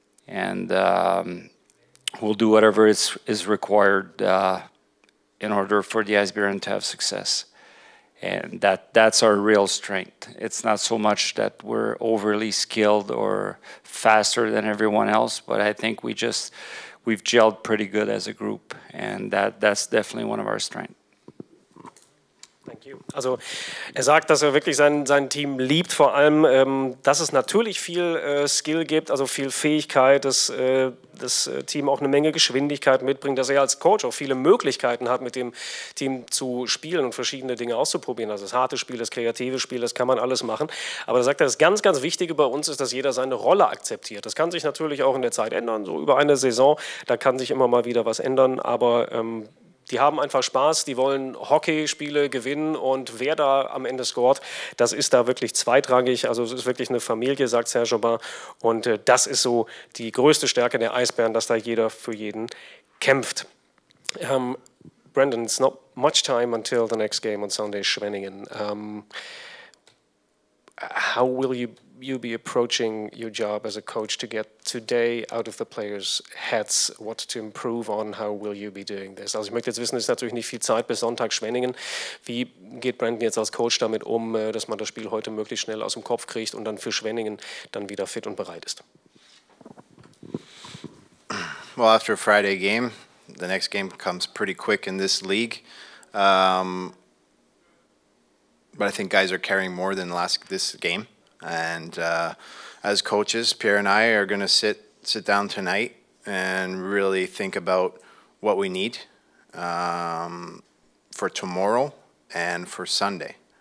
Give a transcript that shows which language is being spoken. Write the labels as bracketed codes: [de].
[en] And we'll do whatever is required in order for the Eisbären to have success. And that's our real strength. It's not so much that we're overly skilled or faster than everyone else, but I think we've gelled pretty good as a group. And that's definitely one of our strengths. Thank you. [de] Also er sagt, dass er wirklich sein Team liebt, vor allem, dass es natürlich viel Skill gibt, also viel Fähigkeit, dass das Team auch eine Menge Geschwindigkeit mitbringt, dass er als Coach auch viele Möglichkeiten hat, mit dem Team zu spielen und verschiedene Dinge auszuprobieren. Also das harte Spiel, das kreative Spiel, das kann man alles machen. Aber er sagt, das ganz, ganz Wichtige bei uns ist, dass jeder seine Rolle akzeptiert. Das kann sich natürlich auch in der Zeit ändern, so über eine Saison, da kann sich immer mal wieder was ändern, aber die haben einfach Spaß, die wollen Hockeyspiele gewinnen und wer da am Ende scoret, das ist da wirklich zweitrangig. Also es ist wirklich eine Familie, sagt Serge Aubin. Und das ist so die größte Stärke der Eisbären, dass da jeder für jeden kämpft. [en] Brandon, it's not much time until the next game on Sunday, Schwenningen. How will you you be approaching your job as a coach to get today out of the players' heads, what to improve on, how will you be doing this? [de] Also ich möchte jetzt wissen, es ist natürlich nicht viel Zeit bis Sonntag Schwenningen. Wie geht Brandon jetzt als Coach damit um, dass man das Spiel heute möglichst schnell aus dem Kopf kriegt und dann für Schwenningen dann wieder fit und bereit ist? [en] Well, after a Friday game, the next game comes pretty quick in this league. But I think guys are caring more than this game. And as coaches, Pierre and I are going to sit down tonight and really think about what we need for tomorrow and for Sunday.